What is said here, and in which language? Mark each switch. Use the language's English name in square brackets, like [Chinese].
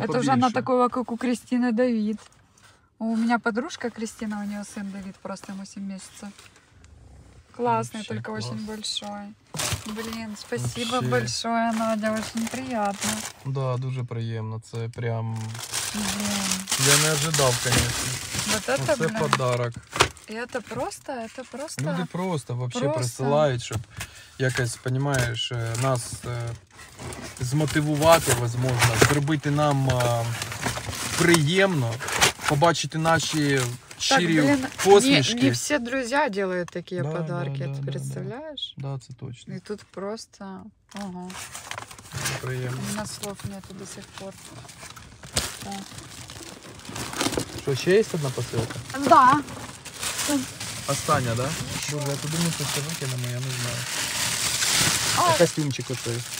[Russian] побольше. Это уже на такого, как у Кристины Давид. У меня подружка Кристина, у нее сын Давид, просто ему 7 месяцев. Классный, вообще, только класс. Очень большой. Блин, спасибо вообще. Большое, Надя, очень приятно. Да, дуже приятно, это прям... Блин. Я не ожидал, конечно. Вот это, вот блин. Это подарок. И это просто... Люди просто вообще просто... присылают, чтобы... [Ukrainian] Якось, понимаєш, нас змотивувати, возможно, зробити нам приємно, побачити наші щирі так, блин, посмішки. Не всі друзі роблять такі да, подарки, да, ти да, представляєш? Да, да. Да, це точно. І тут просто, ого. Приємно. [Russian] У нас слов нету до сих пор. [Ukrainian] Що, ще є одна посилка? Да. Остання, да? Боже, я туди не хочу викинемо, я не знаю. [Russian] А костюмчик вот этот.